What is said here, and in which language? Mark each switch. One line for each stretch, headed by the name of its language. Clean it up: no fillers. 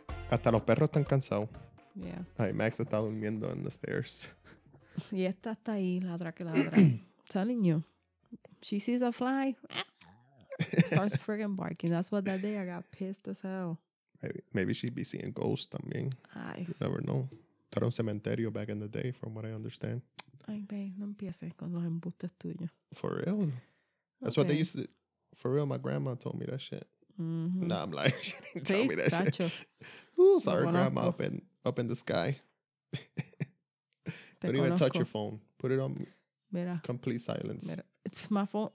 Spanish: Hasta los perros están cansados.
English: Yeah.
Spanish: Ay, Max está durmiendo en
English: the stairs.
Spanish: Y esta está ahí, ladra que ladra.
English: Telling you. She sees a fly. Starts freaking barking. That's what that day I got pissed as hell. Maybe she'd be seeing ghosts también. Ay. You never know.
Spanish: Era un cementerio
English: back in the day, from what I understand.
Spanish: Ay, babe, no empieces con los embustes tuyos.
English: For real? That's okay. What they used to... For real, my grandma told me that shit. Mm-hmm. Nah, I'm lying. She didn't tell me that Chacho. Shit. Who's our grandma up in the sky? Don't even touch your phone. Put it on
Spanish: Mira.
English: Complete silence.
Spanish: Mira.
English: It's my phone.